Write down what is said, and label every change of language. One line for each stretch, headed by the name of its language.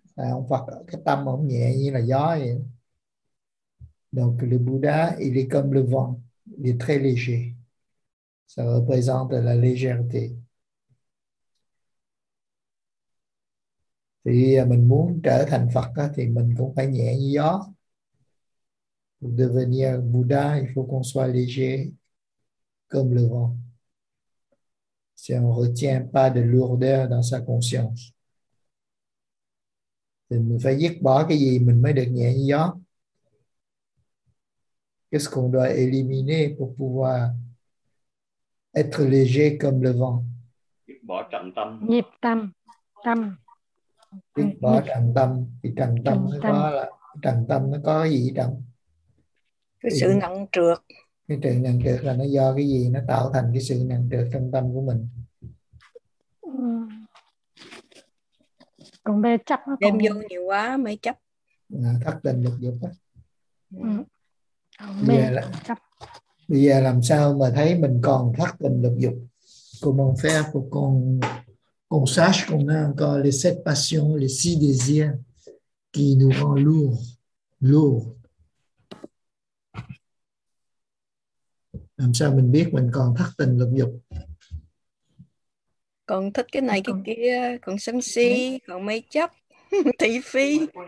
Vietnamese: À, ông Phật cái tâm ông nhẹ như là gió vậy đó.
French: Donc le Bouddha, il est comme le vent. Il est très léger. Ça représente la légèreté.
Vietnamese: Thì mình muốn trở thành Phật đó, thì mình cũng phải nhẹ như gió.
French: Pour devenir Bouddha, il faut qu'on soit léger comme le vent. Si on ne retient pas de lourdeur dans sa conscience.
Vietnamese: Mình phải dứt bỏ cái gì mình mới được nhẹ như gió.
French: Qu'est-ce qu'on doit éliminer pour pouvoir être léger comme le vent?
Vietnamese: Dứt bỏ trầm tâm. Nhịp tâm. Tâm. Dứt bỏ trầm tâm. Thì trầm tâm nó có là trầm tâm nó có cái gì trầm? Cái sự nặng trược. Cái sự nặng trược là nó do cái gì? Nó tạo thành cái sự nặng trược trong tâm của mình. Còn mê chấp nó đem vô nhiều quá mê chấp. À, thất tình lục dục á. Ừ. Mê chấp. Bây giờ làm sao mà thấy mình còn thất tình lục dục?
French: Comment faire pour qu'on sache qu'on a encore les sept passions, les six désirs qui nous rend lourds, lourds.
Vietnamese: Làm sao mình biết mình còn thất tình lục dục? còn thích cái này cái kia, còn sân si, còn mê chấp, thị phi.